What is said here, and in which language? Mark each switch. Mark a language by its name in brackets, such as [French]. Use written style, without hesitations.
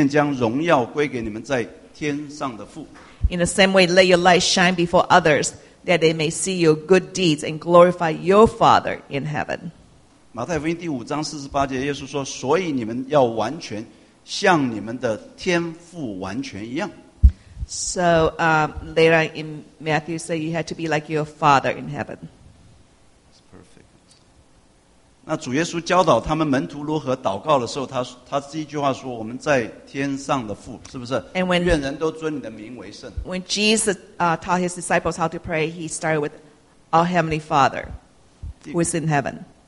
[Chinese] 主耶稣说：“你们的光也当这样照在人前，叫他们看见你们的好行为，便将荣耀归给你们在天上的父。” [English] In the same way, let your light shine before others, that they may see your good deeds and glorify your Father in heaven. [Chinese] 马太福音第5章48节，耶稣说：“所以你们要完全像你们的天父完全一样。”So [English] later on in Matthew, say you had to be like your Father in heaven. It's perfect. [Chinese] 那主耶稣教导他们门徒如何祷告的时候，他第一句话说：“我们在天上的父，是不是？” [English] And when [Chinese] 愿人都尊你的名为圣。 [English] When Jesus taught his disciples how to pray, he started with our Heavenly Father, who is in heaven.